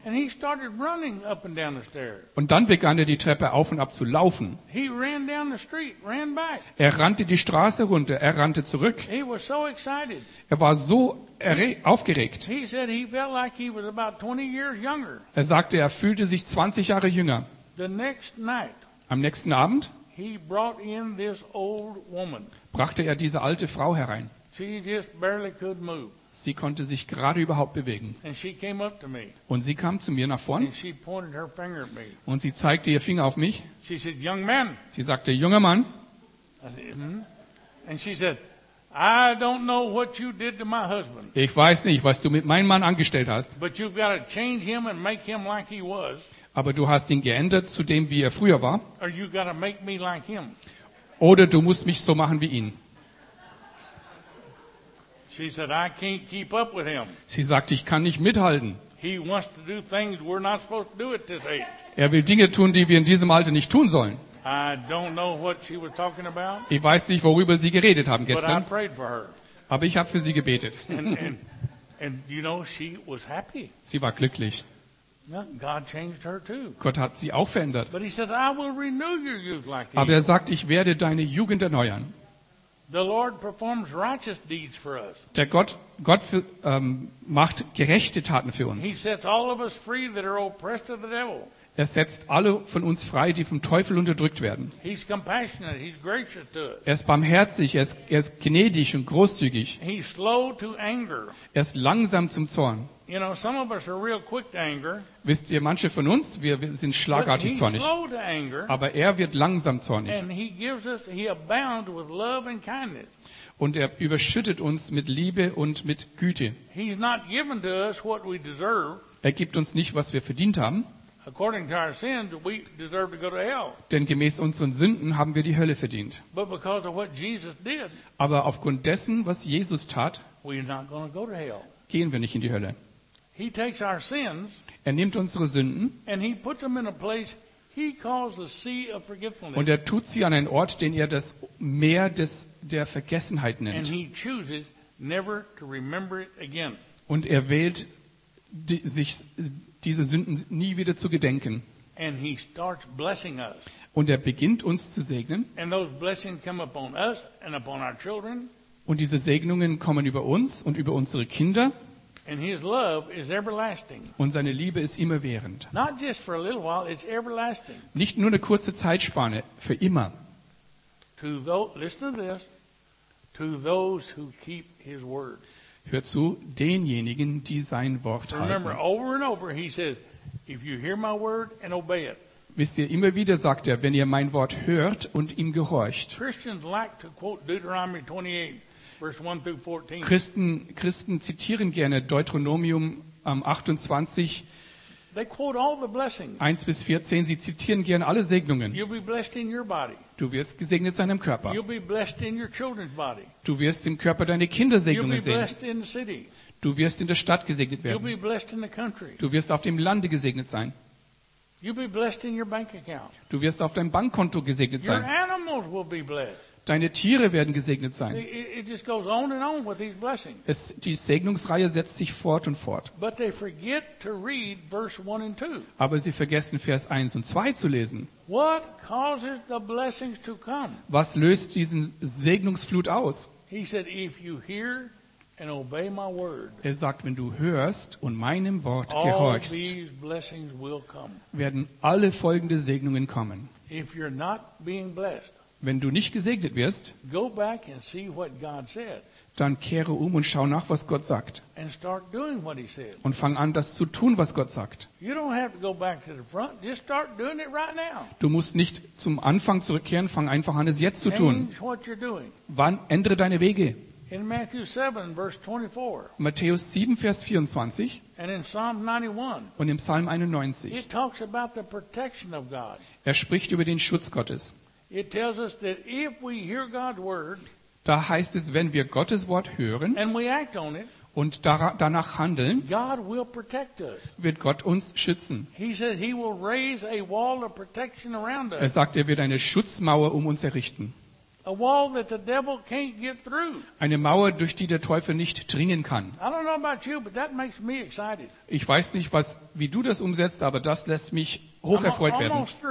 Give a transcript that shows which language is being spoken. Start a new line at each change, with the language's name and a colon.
English: And he started running up and down the stairs.
German: Und dann begann er, die Treppe auf und ab zu laufen.
English: He ran down the street, ran back.
German: Er rannte die Straße runter, er rannte zurück.
English: He was so excited.
German: Er war so aufgeregt.
English: He said he felt like he was about 20 years younger.
German: Er sagte, er fühlte sich 20 Jahre jünger.
English: The next night,
German: am nächsten Abend
English: he brought in this old woman.
German: Brachte er diese alte Frau herein.
English: She just barely could move.
German: Sie konnte sich gerade überhaupt bewegen.
English: And she came up to me.
German: Und sie kam zu mir nach vorn.
English: And she pointed her finger at me.
German: Und sie zeigte ihr Finger auf mich.
English: She said, young man.
German: Sie sagte, junger Mann. Und sie sagte,
English: I don't know what you did to my husband.
German: Ich weiß nicht, was du mit meinem Mann angestellt hast.
English: But you've got to change him and make him like he was.
German: Aber du hast ihn geändert zu dem, wie er früher war.
English: Or you got to make me like him.
German: Oder du musst mich so machen wie ihn.
English: She said, I can't keep up with him.
German: Sie sagte, ich kann nicht mithalten.
English: He wants to do things we're not supposed to do at this age.
German: Er will Dinge tun, die wir in diesem Alter nicht tun sollen.
English: I don't know what she was talking about.
German: Ich weiß nicht, worüber sie geredet haben gestern.
English: But I prayed for her.
German: Aber ich habe für sie gebetet.
English: And you know, she was happy.
German: Sie war glücklich.
English: God changed her too.
German: Gott hat sie auch verändert.
English: But he said, I will renew your youth like this.
German: Aber er sagt, ich werde deine Jugend erneuern.
English: The Lord performs righteous deeds for us.
German: Der Gott für, macht gerechte Taten für uns.
English: He sets all of us free that are oppressed of the devil.
German: Er setzt alle von uns frei, die vom Teufel unterdrückt werden.
English: He's compassionate. He's gracious to us.
German: Er ist barmherzig, er ist gnädig und großzügig.
English: He's slow to anger.
German: Er ist langsam zum Zorn.
English: You know, some of us are real quick to anger.
German: Wisst ihr, manche von uns, wir sind schlagartig zornig. Aber er wird langsam zornig.
English: And he gives us, he abound with love and kindness.
German: Und er überschüttet uns mit Liebe und mit Güte.
English: He's not given to us what we deserve.
German: Er gibt uns nicht, was wir verdient haben.
English: According to our sins, we deserve to go to hell.
German: Denn gemäß unseren Sünden haben wir die Hölle verdient.
English: But because of what Jesus did,
German: aber aufgrund dessen, was Jesus tat,
English: we're not going to go to hell.
German: Gehen wir nicht in die Hölle.
English: He takes our sins,
German: er nimmt unsere Sünden und er tut sie an einen Ort, den er das Meer der Vergessenheit nennt.
English: And he chooses never to remember it again.
German: Und er wählt, sich diese Sünden nie wieder zu gedenken.
English: And he starts blessing us.
German: Und er beginnt uns zu segnen.
English: And those blessings come upon us and upon our children.
German: Und diese Segnungen kommen über uns und über unsere Kinder.
English: And his love is everlasting.
German: Und seine Liebe ist immerwährend.
English: Not just for a little while, it's everlasting.
German: Nicht nur eine kurze Zeitspanne, für immer.
English: Listen to this, to those who keep his word.
German: Hör zu, denjenigen, die sein Wort halten.
English: Remember, over and over he says, if you hear my word and obey it.
German: Wisst ihr, immer wieder sagt er, wenn ihr mein Wort hört und ihm gehorcht.
English: Christians like to quote Deuteronomy 28.
German: Christen zitieren gerne Deuteronomium 28,
English: they quote all the blessings.
German: 1 bis 14. Sie zitieren gerne alle Segnungen.
English: You'll be blessed in your body.
German: Du wirst gesegnet sein im Körper.
English: You'll be blessed in your children's body.
German: Du wirst im Körper deine Kinder Segnungen sehen.
English: You'll be blessed in the city.
German: Du wirst in der Stadt gesegnet werden.
English: You'll be blessed in the country.
German: Du wirst auf dem Lande gesegnet sein.
English: You'll be blessed in your bank account.
German: Du wirst auf deinem Bankkonto gesegnet sein.
English: Your animals will be blessed.
German: Deine Tiere werden gesegnet sein.
English: It just goes on and on with these blessings.
German: Die Segnungsreihe setzt sich fort und fort.
English: But they forget to read verse 1 and 2.
German: Aber sie vergessen Vers 1 und 2 zu lesen.
English: What causes the blessings to come?
German: Was löst diesen Segnungsflut aus?
English: He said, if you hear and obey my word,
German: er sagt, wenn du hörst und meinem Wort gehorchst,
English: all these blessings will come.
German: Werden alle folgenden Segnungen kommen.
English: If you're not being blessed,
German: wenn du nicht gesegnet wirst,
English: go back and see what God said,
German: dann kehre um und schau nach, was Gott sagt.
English: And start doing what he said.
German: Und fang an, das zu tun, was Gott sagt. Du musst nicht zum Anfang zurückkehren, fang einfach an, es jetzt zu tun.
English: Change what you're doing.
German: Wann, ändere deine Wege.
English: In Matthew 7, verse 24,
German: Matthäus 7, Vers 24
English: and in Psalm 91,
German: und im Psalm 91
English: it talks about the protection of God.
German: Er spricht über den Schutz Gottes.
English: It tells us that if we hear God's word,
German: da heißt es, wenn wir Gottes Wort hören
English: and we act on it,
German: und danach handeln,
English: God will protect us.
German: Wird Gott uns schützen.
English: He says he will raise a wall of protection around us.
German: Er sagt, er wird eine Schutzmauer um uns errichten.
English: A wall that the devil can't get through.
German: Eine Mauer, durch die der Teufel nicht dringen kann.
English: I don't know about you, but that makes me excited.
German: Ich weiß nicht, wie du das umsetzt, aber das lässt mich hoch erfreut werden.